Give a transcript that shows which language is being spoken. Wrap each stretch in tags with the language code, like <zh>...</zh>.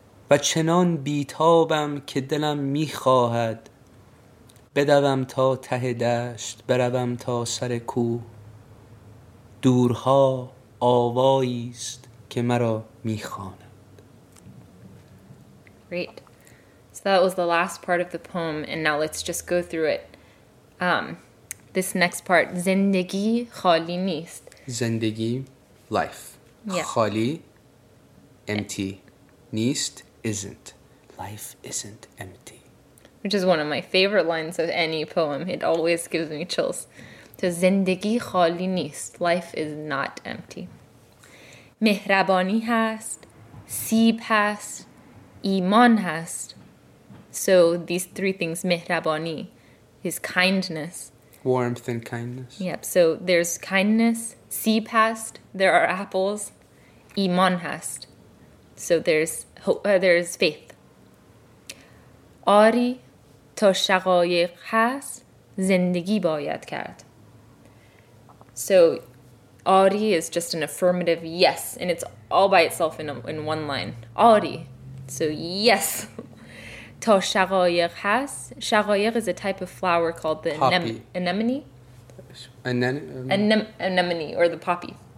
<fa>و چنان بیتابم که دلم می خواهد بدوم تا ته دشت، بروم تا سر کوه. دورها آوایی است که مرا می خواند.</fa> <en>Great. So that was the last part of the poem, and now let's just go through it. This next part,</en> <fa>زندگی خالی نیست.</fa> <en>زندگی, life. Yeah. خالی, empty. نیست, isn't. Life isn't empty. Which is one of my favorite lines of any poem. It always gives me chills. So,</en> <fa>زندگی خالی نیست.</fa> <en>Life is not empty.</en> <fa>مهربانی هست. سیب هست. ایمان هست.</fa> <en>So, these three things, مهربانی, is kindness. Warmth and kindness. Yep. So, there's kindness.</en> <fa>سیب هست.</fa> <en>There are apples.</en> <fa>ایمان هست.</fa> <en>So, there's hope, there's faith. آری.</en> <fa>تا شقایق هست زندگی باید کرد.</fa> <en>So, آری is just an affirmative yes, and it's all by itself in one line.</en> <fa>آری.</fa> <en>So, yes.</en> <fa>تا شقایق هست.</fa> <en>شقایق is a type of flower called the anemone. Anemone, or the poppy.</en>